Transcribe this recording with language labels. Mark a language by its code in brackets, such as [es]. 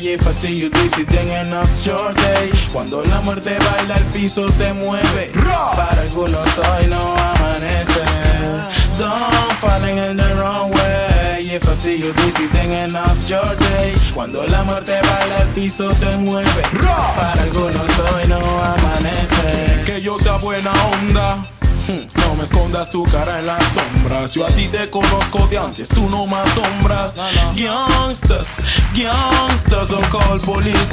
[en] If I see you dizzy, then enough's your day. [es] Cuando la muerte baila, el piso se mueve. Para algunos hoy no amanece. [en] Don't falling in the wrong way. If I see you dizzy, then enough your days. [es] Cuando la muerte baila, el piso se mueve. Para algunos hoy no amanece. Que yo sea buena onda. No me escondas tu cara en las sombras. Yo a ti te conozco de antes, tú no más sombras. [en] Gangsters, gangsters, don't call police.